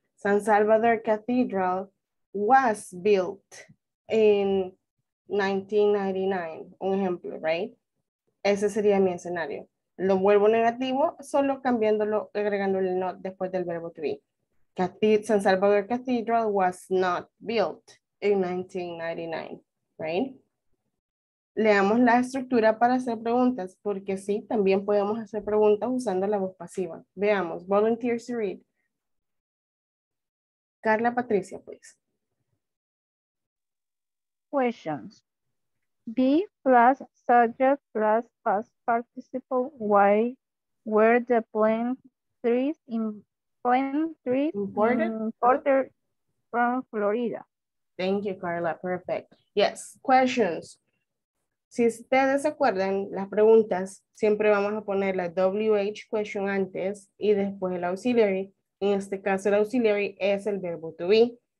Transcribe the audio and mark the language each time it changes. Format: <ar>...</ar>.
<en>San Salvador Cathedral was built in 1999.</en> <es>Un ejemplo,</es> <en>right?</en> <es>Ese sería mi escenario. Lo vuelvo negativo, solo cambiándolo, agregándole not después del verbo to be.</es> <en>San Salvador Cathedral was not built in 1999, right?</en> <es>Leamos la estructura para hacer preguntas, porque sí, también podemos hacer preguntas usando la voz pasiva. Veamos,</es> <en>volunteers to read. Carla Patricia, please. Questions. Be plus subject plus past participle. Why were the plant trees imported from Florida? Thank you, Carla. Perfect. Yes, questions.</en> <es>Si ustedes se acuerdan, las preguntas, siempre vamos a poner la WH question antes y después el auxiliary. En este caso, el auxiliary es el verbo to be.</es>